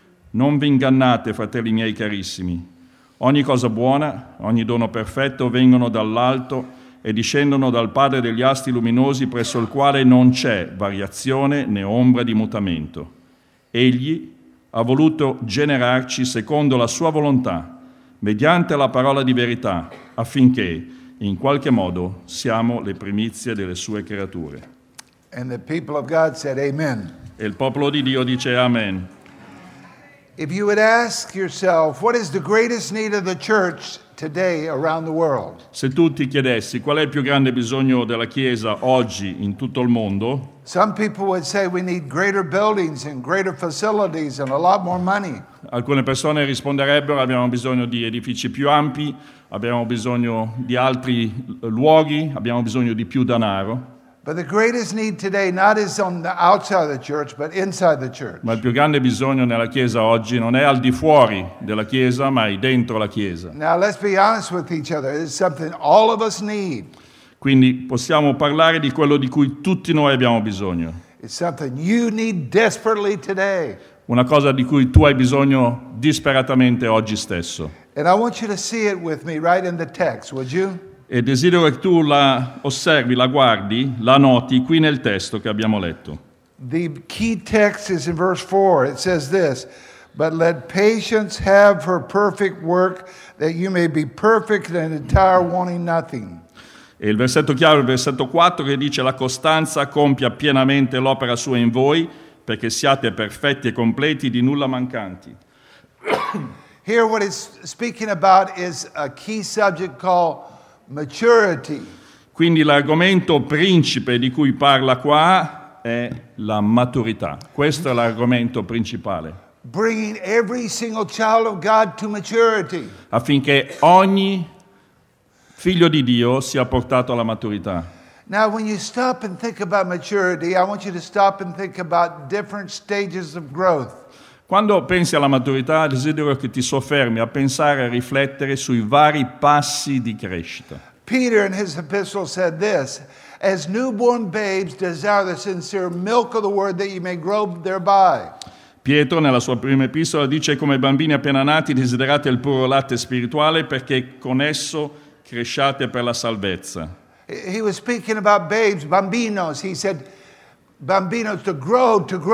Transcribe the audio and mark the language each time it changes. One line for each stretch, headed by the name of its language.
Italian: Non vi ingannate, fratelli miei carissimi. Ogni cosa buona, ogni dono perfetto vengono dall'alto e discendono dal Padre degli astri luminosi, presso il quale non c'è variazione né ombra di mutamento. Egli ha voluto generarci secondo la sua volontà, mediante la parola di verità, affinché in qualche modo siamo le primizie delle sue creature.
English: And the people of God said amen.
Italian: E il popolo di Dio dice amen.
English: If you would ask yourself, what is the greatest need of the church today around the world?
Italian: Se tu ti chiedessi qual è il più grande bisogno della Chiesa oggi in tutto il mondo?
English: Some people would say we need greater buildings and greater facilities and a lot more money.
Italian: Alcune persone risponderebbero: abbiamo bisogno di edifici più ampi, abbiamo bisogno di altri luoghi, abbiamo bisogno di più denaro.
English: But the greatest need today not is on the outside of the church, but inside the church.
Italian: Ma il più grande bisogno nella chiesa oggi non è al di fuori della chiesa, ma è dentro la chiesa.
English: Now let's be honest with each other. It's something all of us need.
Italian: Quindi possiamo parlare di quello di cui tutti noi abbiamo bisogno.
English: It's something you need desperately today.
Italian: Una cosa di cui tu hai bisogno disperatamente oggi stesso.
English: And I want you to see it with me right in the text, would you?
Italian: E desidero che tu la osservi, la guardi, la noti qui nel testo che abbiamo letto.
English: The key text is in verse 4. It says this: but let patience have her perfect work, that you may be perfect and entire, wanting nothing.
Italian: E il versetto chiaro, il versetto 4, che dice: la costanza compia pienamente l'opera sua in voi, perché siate perfetti e completi, di nulla mancanti.
English: Here what it's speaking about is a key subject called maturity.
Italian: Quindi l'argomento principe di cui parla qua è la maturità. Questo è l'argomento principale.
English: Bringing every single child of God to maturity.
Italian: Affinché ogni figlio di Dio sia portato alla maturità.
English: Now when you stop and think about maturity, I want you to stop and think about different stages of growth.
Italian: Quando pensi alla maturità, desidero che ti soffermi a pensare e riflettere sui vari passi di crescita.
English: Peter in his epistle said this: as newborn babes desire the sincere milk of the word, that you may grow thereby.
Italian: Pietro nella sua prima epistola dice: come bambini appena nati desiderate il puro latte spirituale, perché con esso cresciate per la salvezza.
English: He was speaking about babes, bambinos. He said bambinos to grow.